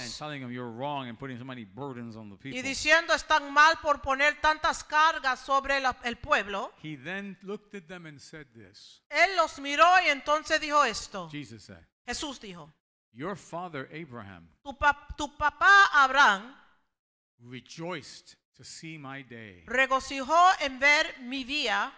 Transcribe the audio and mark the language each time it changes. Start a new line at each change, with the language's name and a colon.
English: And telling them you're wrong and putting so many burdens on the people.
Spanish: Y diciendo están mal por poner tantas cargas sobre el pueblo.
English: He then looked at them and said this.
Spanish: Él los miró y entonces dijo esto.
English: Jesus said.
Spanish: Jesús dijo.
English: Your father Abraham.
Spanish: Tu papá Abraham.
English: Rejoiced to see my day.
Spanish: Regocijó en ver mi día.